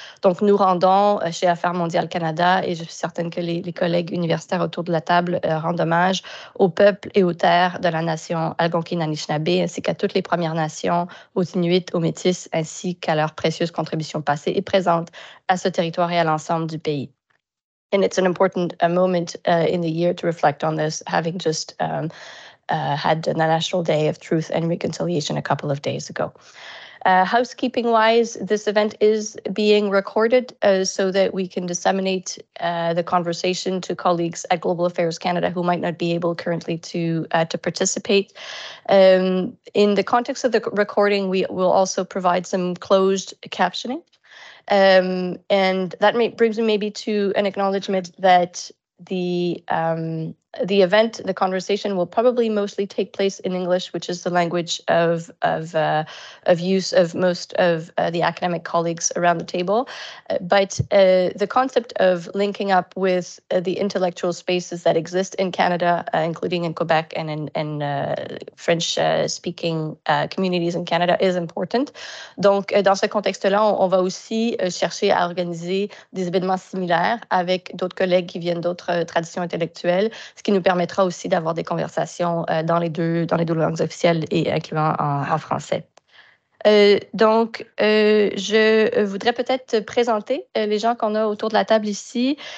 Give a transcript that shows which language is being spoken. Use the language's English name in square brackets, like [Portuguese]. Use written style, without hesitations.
[French] Donc, nous rendons chez Affaires mondiales Canada, et je suis certaine que les collègues universitaires autour de la table rendent hommage au peuple et aux terres de la nation Algonquin Anishinaabe, ainsi qu'à toutes les Premières Nations, aux Inuits, aux Métis, ainsi qu'à leurs précieuses contributions passées et présentes à ce territoire et à l'ensemble du pays. [English] And it's an important moment in the year to reflect on this, having just had the National Day of Truth and Reconciliation a couple of days ago. Housekeeping-wise, this event is being recorded so that we can disseminate the conversation to colleagues at Global Affairs Canada who might not be able currently to participate. In the context of the recording, we will also provide some closed captioning. And that brings me maybe to an acknowledgement that the event, the conversation, will probably mostly take place in English, which is the language of use of most of the academic colleagues around the table. But the concept of linking up with the intellectual spaces that exist in Canada, including in Quebec and in French-speaking communities in Canada, is important. [French] Donc, dans ce contexte-là, on va aussi chercher à organiser des événements similaires avec d'autres collègues qui viennent d'autres traditions intellectuelles, ce qui nous permettra aussi d'avoir des conversations dans les deux langues officielles et incluant en français. Je voudrais peut-être présenter les gens qu'on a autour de la table ici.